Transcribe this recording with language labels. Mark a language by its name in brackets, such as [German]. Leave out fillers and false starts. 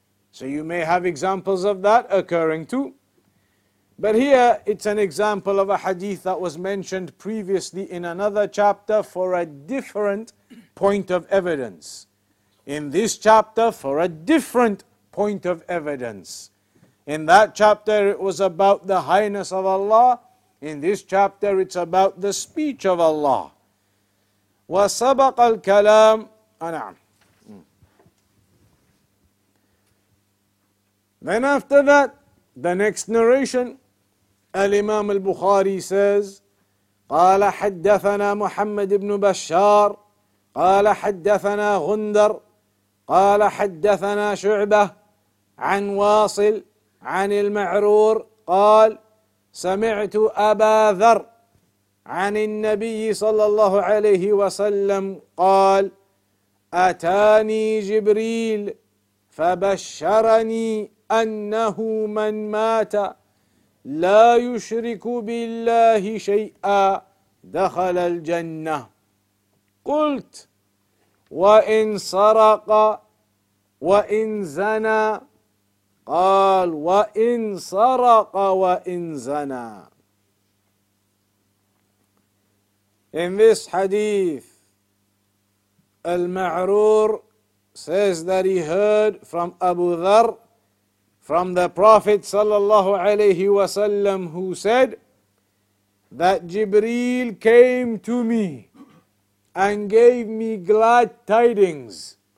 [English] So you may have examples of that occurring too. But here it's an example of a hadith that was mentioned previously in another chapter for a different point of evidence. In this chapter, for a different point of evidence. In that chapter, it was about the highness of Allah. In this chapter, it's about the speech of Allah. [Arabic] وَسَبَقَ الْكَلَامُ [English] Then after that, the next narration, Al-Imam al-Bukhari says, [Arabic] قَالَ حَدَّثَنَا مُحَمَّدْ ابْنُ بَشَّارِ قَالَ حَدَّثَنَا غُنْدَرْ قَالَ حَدَّثَنَا شُعْبَةِ عَنْ وَاصِلْ عن المعرور قال سمعت أبا ذر عن النبي صلى الله عليه وسلم قال أتاني جبريل فبشرني أنه من مات لا يشرك بالله شيئا دخل الجنة قلت وإن سرق وإن زنى قال وإن سرق وإن زنى. [English] In this hadith, Al-Ma'rur says that he heard from Abu Dharr, from the Prophet sallallahu alayhi wa sallam, who said that Jibreel came to me and gave me glad tidings.